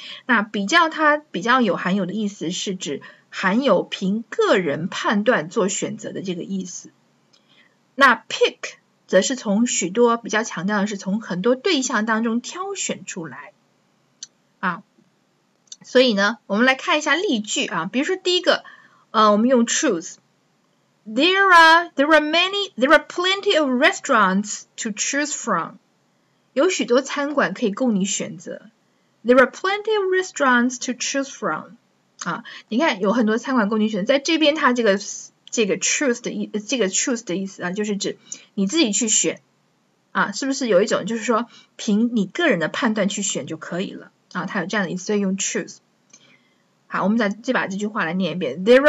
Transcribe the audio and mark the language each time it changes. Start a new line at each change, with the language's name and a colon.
Chinese: 那比较它比较有含有的意思是指含有凭个人判断做选择的这个意思。那 pick 则是从许多比较强调的是从很多对象当中挑选出来。啊，所以呢我们来看一下例句啊，比如说第一个我们用 choose。
English: There are plenty of restaurants to choose from.
Chinese: 有许多餐馆可以供你选择。
English: There are plenty of restaurants to choose from.
Chinese: 啊，你看有很多餐馆供你选择。在这边它这个 choose 的意思啊，就是指你自己去选。啊，是不是有一种就是说凭你个人的判断去选就可以了。啊，它有这样的意思，所以用 choose。好，我们再把这句话来念一遍。